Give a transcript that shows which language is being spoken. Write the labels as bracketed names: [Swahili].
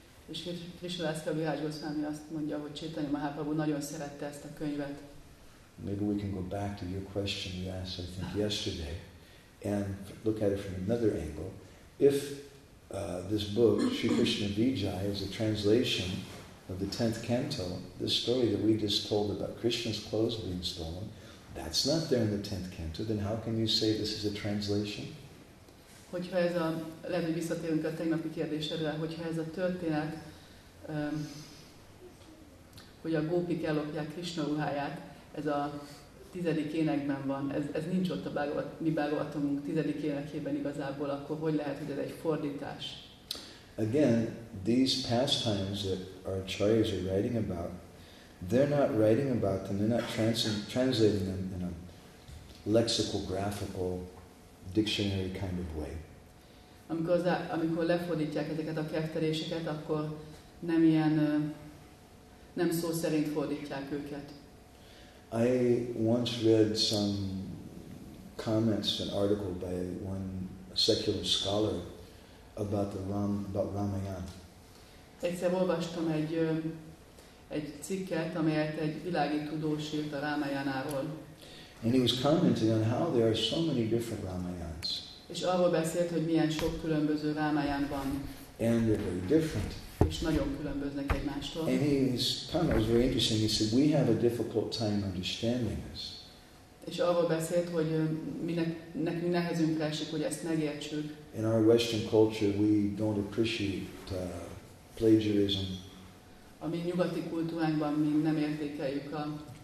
[Hungarian] És Krishnadas Kaviraj Goswami azt mondja, hogy Chaitanya Mahaprabhu nagyon szerette ezt a könyvet. [English] Maybe we can go back to your question you asked, I think, yesterday, and look at it from another angle. If this book, Sri Krishna Vijay, is a translation of the 10th canto, this story that we just told about Krishna's clothes being stolen, that's not there in the 10th canto, then how can you say this is a translation? [Hungarian] Hogyha ez a, lehet, hogy visszatérünk a tegnapi kérdésedre, hogyha ez a történet, hogy a gópik ellopják Krishna ruháját, ez a 10. énekben van, ez nincs ott a Bhagavat, mi Bhagavatamunk 10. énekében igazából, akkor hogy lehet, hogy ez egy fordítás? [English] Again, these pastimes that our acharyas are writing about, they're not writing about them, they're not translating them in a lexical, graphical, dictionary kind of way. [Hungarian] Amikor lefordítják ezeket a kefteléseket, akkor nem ilyen, nem szó szerint fordítják őket. [English] I once read some comments, an article by one secular scholar about the Ramayana. [Hungarian] Egyszer olvastam egy cikket, amelyet egy világi tudós írt a Ramayanáról. [English] And he was commenting on how there are so many different Ramayans. [Hungarian] És arról beszélt, hogy milyen sok különböző Ramayan van. [English] And they're very different. [Hungarian] És nagyon különböznek egymástól. [English] And his comment was very interesting. He said, we have a difficult time understanding this. [Hungarian] És arról beszélt, hogy nekünk nehezünk esik, hogy ezt megértsük. [English] In our Western culture, we don't appreciate plagiarism. [Hungarian] A mi nyugati kultúránkban mi nem értékeljük a...